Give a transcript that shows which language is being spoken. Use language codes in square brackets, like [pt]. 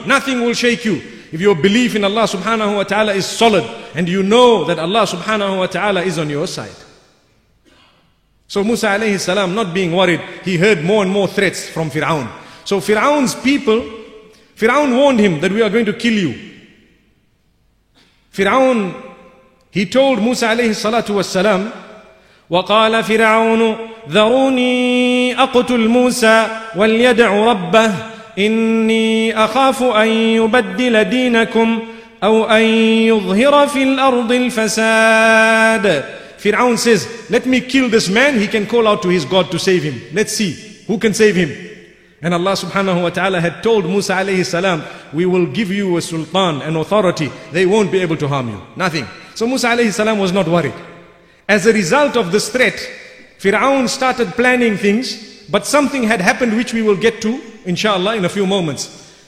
[en] Nothing will shake you if your belief in Allah subhanahu wa ta'ala is solid and you know that Allah subhanahu wa ta'ala is on your side. So Musa alayhi salam, not being worried, he heard more and more threats from Fir'aun. So Fir'aun's people, Fir'aun warned him that we are going to kill you. Fir'aun, he told Musa alayhi salatu wasalam, [ar] وَقَالَ فِرْعَوْنُ ذَرُونِي أَقْتُلْ مُوسَى وَلْيَدْعُ رَبَّهُ إِنِّي أَخَافُ أَن يُبَدِّلَ دِينَكُمْ أَوْ أَن يُظْهِرَ فِي الْأَرْضِ الْفَسَادِ. [en] Fir'aun says, let me kill this man, he can call out to his God to save him. Let's see, who can save him? And Allah subhanahu wa ta'ala had told Musa alayhi salam, we will give you a sultan, an authority, they won't be able to harm you. Nothing. So Musa alayhi salam was not worried. As a result of this threat, Fir'aun started planning things, but something had happened which we will get to, inshallah, in a few moments.